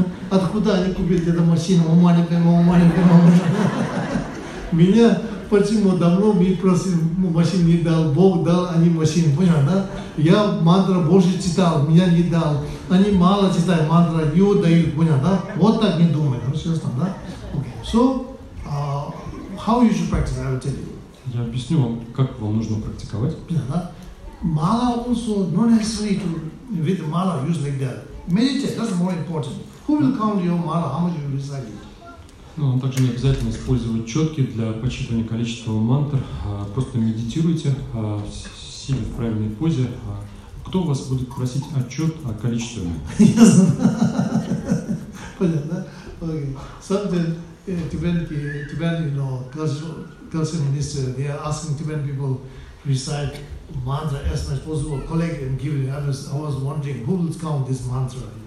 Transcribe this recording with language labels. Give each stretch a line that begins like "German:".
Russian: откуда они купили эту машину, у маленького, мужа. Меня почему давно мы просим машину не дал, Бог дал, они машину, понял, да? Я мантра больше читал, меня не дал. Они мало читают мантра, ее дают, понял, да? Вот так не думают, ну, сейчас там, да?
English: Okay. So, how you should practice, I will tell you.
Russian: Я объясню вам, как вам нужно практиковать. Понял, да?
English: Мало also, not necessarily to, with мало, use like that. Meditate, that's more important. Who will count your мало, how much you recite it?
Russian: Ну, также не обязательно использовать четки для подсчитывания количества мантр. Просто медитируйте, сидя в правильной позе. Кто вас будет просить отчет о количестве мантр? Я знаю. Понятно, да? Окей.
English: Something Tibetan, you know, culture minister, they are asking Tibetan people recite mantra as much as possible, collect and give it. I was wondering, who will count this mantra?